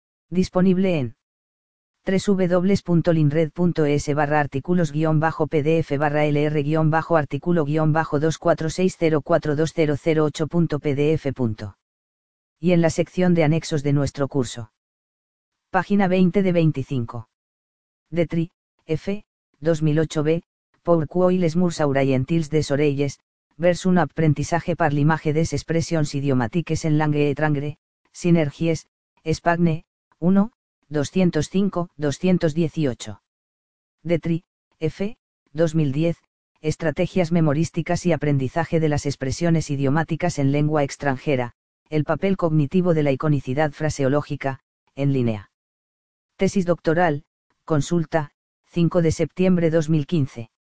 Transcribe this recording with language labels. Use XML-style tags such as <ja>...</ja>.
<es>Disponible en www.linred.es/articulos-pdf/lr-artículo-246042008.pdf. Y en la sección de anexos de nuestro curso. Página 20 de 25.</es> <fr>Detri, F., 2008b, Pour quoi les murs aurientils des oreilles, vers un apprentissage par l'image des expressions idiomatiques en langue étrangère, Synergies, Espagne, 1, 205-218.</fr> <es>Detri, F., 2010, Estrategias memorísticas y aprendizaje de las expresiones idiomáticas en lengua extranjera, El papel cognitivo de la iconicidad fraseológica, en línea. Tesis doctoral, consulta, 5 de septiembre 2015.</es>